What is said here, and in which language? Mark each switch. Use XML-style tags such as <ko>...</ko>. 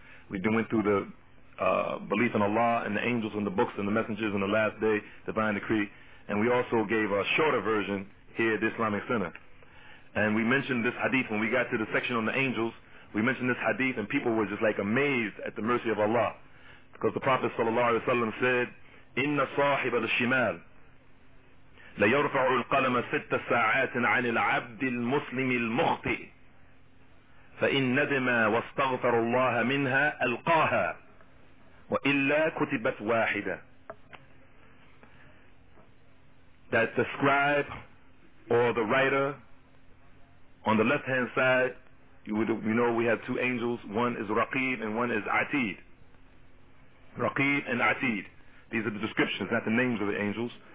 <en>We went through the belief in Allah and the angels and the books and the messengers and the last day, divine decree, and we also gave a shorter version here at the Islamic Center. And we mentioned this hadith when we got to the section on the angels. We mentioned this hadith and people were just like amazed at the mercy of Allah. Because the Prophet sallallahu alaihi wasallam said,</en> <ar>إِنَّ صَاحِبَ الشِّمَالِ لَيَرْفَعُ الْقَلَمَ سِتَّ سَاعَاتٍ عَنِ الْعَبْدِ الْمُسْلِمِ الْمُخْطِئِ فَإِنْ نَدِمَا وَاسْتَغْفَرُ اللَّهَ مِنْهَا أَلْقَاهَا وَإِلَّا كُتِبَتْ وَاحِدَةً.</ar> <en>That the scribe or the writer, on the left hand side, you know we have two angels, one is Raqib and one is Atid. Raqib and Atid. These are the descriptions, not the names of the angels.</en>